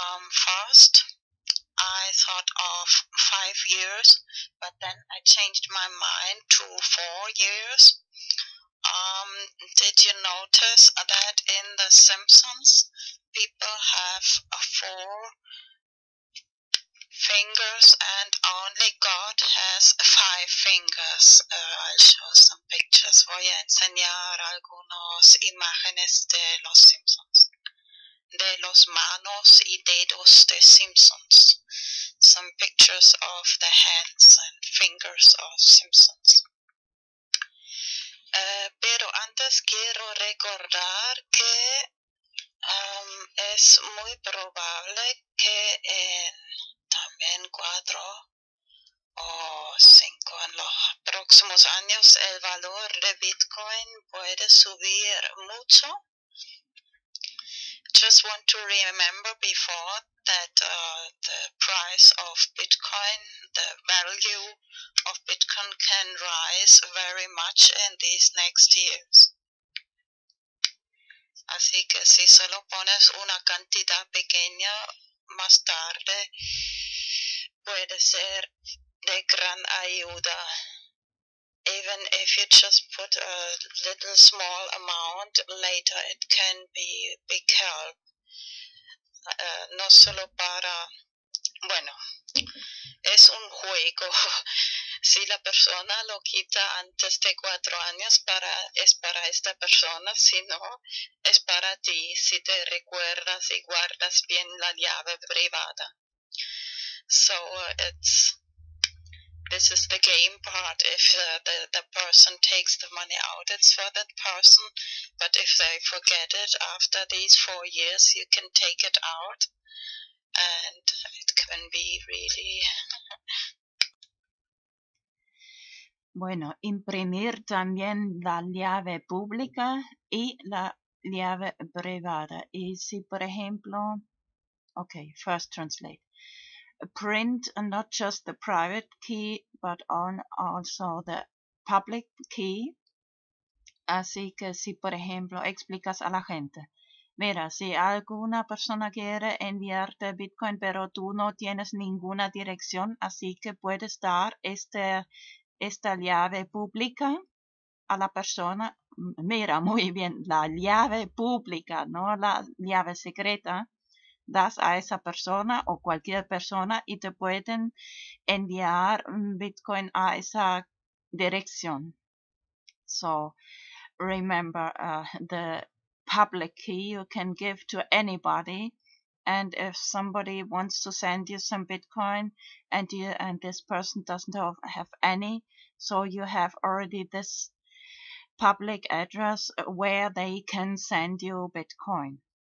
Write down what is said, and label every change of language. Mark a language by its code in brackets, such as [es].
[en] First, I thought of 5 years, but then I changed my mind to 4 years. Did you notice that in The Simpsons, people have 4 fingers and only God has 5 fingers. I'll show some pictures. [es] Voy a enseñar algunas imágenes de los Simpsons. De los manos y dedos de Simpsons. [en] Some pictures of the hands and fingers of Simpsons. [es] Pero antes quiero recordar que es muy probable que en también 4 o 5 en los próximos años el valor de Bitcoin puede subir mucho. [en] Just want to remember before that the price of Bitcoin, the value of Bitcoin can rise very much in these next years. [es] Así que si solo pones una cantidad pequeña más tarde, puede ser de gran ayuda. [en] Even if you just put a little small amount, later it can be big help. [es] No solo para Bueno, es un juego. Si la persona lo quita antes de 4 años, para, es para esta persona. Si no, es para ti, si te recuerdas y guardas bien la llave privada. [en] So, it's, this is the game part. If the person takes the money out, it's for that person. But if they forget it after these 4 years, you can take it out. And it can be really... [es] Bueno, imprimir también la llave pública y la llave privada. Y si, por ejemplo, [en] okay, first translate. Print not just the private key, but on also the public key. [es] Así que si, por ejemplo, explicas a la gente. Mira, si alguna persona quiere enviarte Bitcoin, pero tú no tienes ninguna dirección, así que puedes dar esta llave pública a la persona. Mira, muy bien, la llave pública, no la llave secreta, das a esa persona o cualquier persona y te pueden enviar Bitcoin a esa dirección. [en] So, remember, the public key you can give to anybody. And if somebody wants to send you some Bitcoin and you, and this person doesn't have any, so you have already this public address where they can send you Bitcoin.